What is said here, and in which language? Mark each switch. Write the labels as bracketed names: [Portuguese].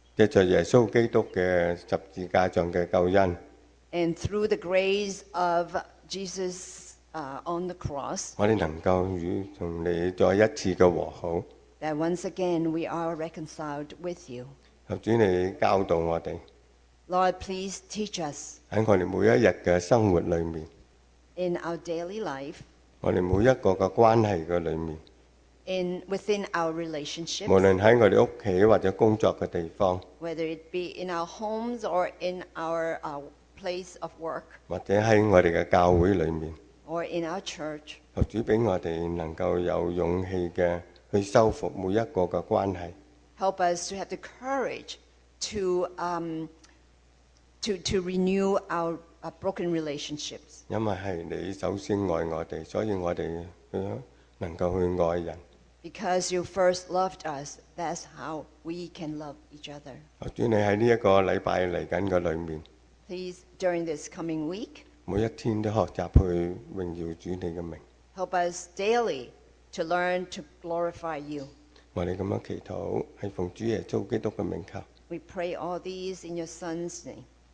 [Cantonese] 藉着耶稣基督嘅十字架上嘅救恩。 [English] And through the grace of Jesus. On the cross, [Cantonese] 我哋能够与同你再一次嘅和好。 [English] That once again we are reconciled with you. [Cantonese] 求主你教导我哋。 [English] Lord, please teach us. [Cantonese] 喺我哋每一日嘅生活里面。 [English] In our daily life. [Cantonese] 我哋每一个嘅关系嘅里面。 [English] In within our relationships. [Cantonese] 无论喺我哋屋企或者工作嘅地方。 [English] Whether it be in our homes or in our place of work. [Cantonese] 或者喺我哋嘅教会里面。 [English] Or in our church, [Cantonese] 求主俾我哋能够有勇气嘅去修复每一个嘅关系。 [English] Help us to have the courage to renew our broken relationships. [Cantonese] 因为系你首先爱我哋，所以我哋能够去爱人。 [English] Because you first loved us, that's how we can love each other. [Cantonese] 求主你喺呢一个礼拜嚟紧嘅里面。 [English] Please during this coming week. [Cantonese] 每一天都學習去榮耀主你嘅名。 [English] Help us daily to learn to glorify you. [Cantonese] 我哋咁樣祈禱，係奉主耶穌基督嘅名求。 [English] We pray all these in your Son's name.